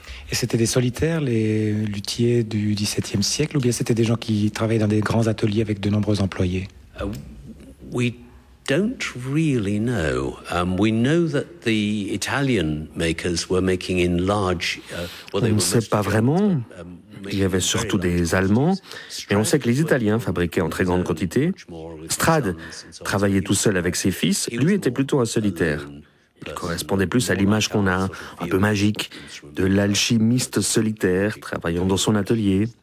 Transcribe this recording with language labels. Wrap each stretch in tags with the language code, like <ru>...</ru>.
<fr>Et c'était des solitaires, les luthiers du XVIIe siècle, ou bien c'était des gens qui travaillaient dans des grands ateliers avec de nombreux employés?</fr> <en>We don't really know. We know that the Italian makers were making in large.</en> <fr>On ne sait pas vraiment. Il y avait surtout des Allemands, mais on sait que les Italiens fabriquaient en très grande quantité. Strad travaillait tout seul avec ses fils. Lui était plutôt un solitaire. Il correspondait plus à l'image qu'on a, un peu magique, de l'alchimiste solitaire travaillant dans son atelier.</fr>